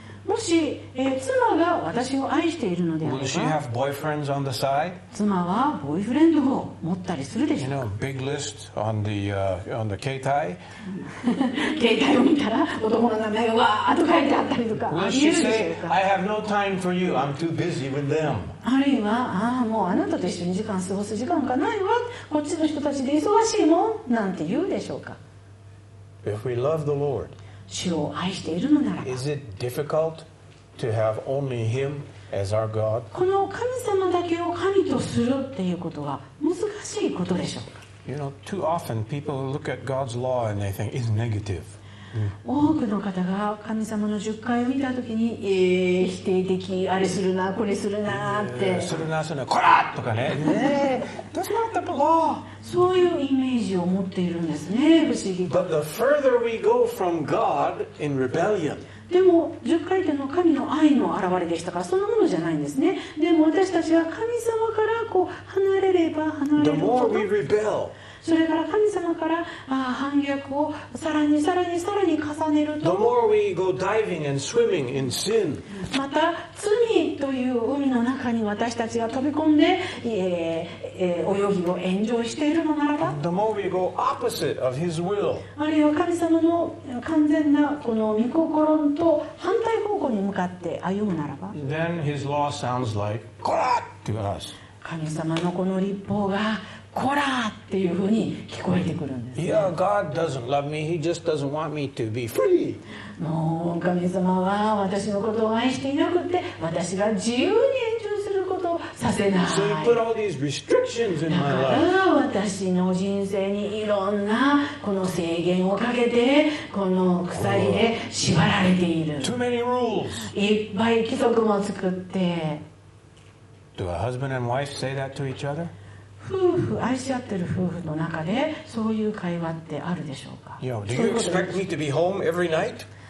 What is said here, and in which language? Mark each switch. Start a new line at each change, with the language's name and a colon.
Japanese: もし、妻が私を愛しているのであれば、
English: will she have boyfriends on the side?
Japanese: 妻はボーイフレンドを持ったりするでしょうか。
English: You know, big list on the 携帯
Japanese: 携帯を見たら男の名前がわーっと書いてあったりとか、
English: will she say, I have no time for you, I'm too busy with them.
Japanese: あるいは、ああ、もうあなたと一緒に時間過ごす時間がないわ、こっちの人たちで忙しいもん、なんて言うでしょうか。
English: If we love the Lord,
Japanese: 主を愛しているのならば、
English: Is it difficult to have only him as our God?
Japanese: この神様だけを神とするっていうことは難しいことでしょうか。
English: You know, too often people look at God's law and they think it's negative.
Japanese: 多くの方が神様の十戒を見たときに、否定的、あれするな、これするなって、するな、するな、こらーとかね。
English: That's not the law.
Japanese: そういうイメージを持っているんですね、不思議。
English: But the further we go from God in rebellion,
Japanese: でも十戒というのは神の愛の表れでしたから、そんなものじゃないんですね。でも私たちは神様からこう離れれば離れるほど、
English: the more we rebel.
Japanese: それから神様から反逆をさらにさらにさらに重ねると、
English: The more we go diving and swimming in sin,
Japanese: また罪という海の中に私たちが飛び込んで、泳ぎを炎上しているのならば、
English: The more we go opposite of his will,
Japanese: あるいは神様の完全なこの御心と反対方向に向かって歩むならば、
English: Then his law sounds like Kora to us.
Japanese: 神様のこの律法がコラーっていうふうに聞こえてくるんです、ね。
English: Yeah, God doesn't love me. He just doesn't want me to be free.
Japanese: もう神様は私のことを愛していなくて、私が自由に延長することをさせない。
English: So you put all these restrictions in my life.
Japanese: だから私の人生にいろんなこの制限をかけて、この鎖で縛られている。
English: Too many rules.
Japanese: いっぱい規則も作って。
English: Do a husband and wife say that to each other?
Japanese: 夫婦、愛し合ってる夫婦の中でそういう会話ってあるでしょうか。
English: you know, Do you expect me to be home every night?